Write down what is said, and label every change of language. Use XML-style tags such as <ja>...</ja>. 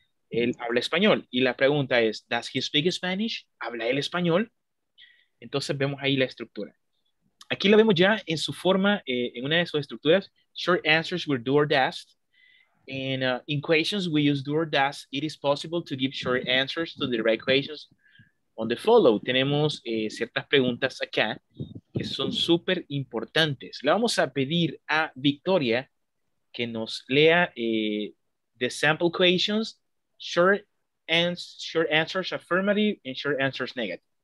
<es>Él habla español y la pregunta es,</es> <en>does he speak Spanish?</en> <es>¿Habla él español? Entonces vemos ahí la estructura. Aquí lo vemos ya en su forma, en una de sus estructuras.</es> <en>Short answers with do or does. And, in questions we use do or does. It is possible to give short answers to the right questions on the follow.</en> <es>Tenemos ciertas preguntas acá que son súper importantes. Le vamos a pedir a Victoria que nos lea</es> <en>the sample questions, short answers affirmative and short answers negative.</en>